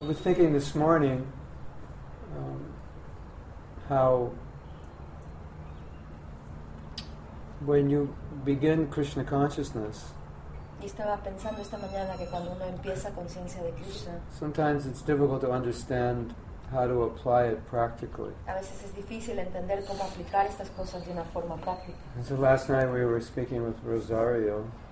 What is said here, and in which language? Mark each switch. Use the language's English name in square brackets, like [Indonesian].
[English] I was thinking this morning how when you begin Krishna consciousness, [Spanish] y estaba pensando esta mañana que cuando uno empieza conciencia de Krishna, [English] sometimes it's difficult to understand how to apply it practically. [Spanish] A veces es difícil entender cómo aplicar estas cosas de una forma práctica. [English] And so last night we were speaking with Rosario?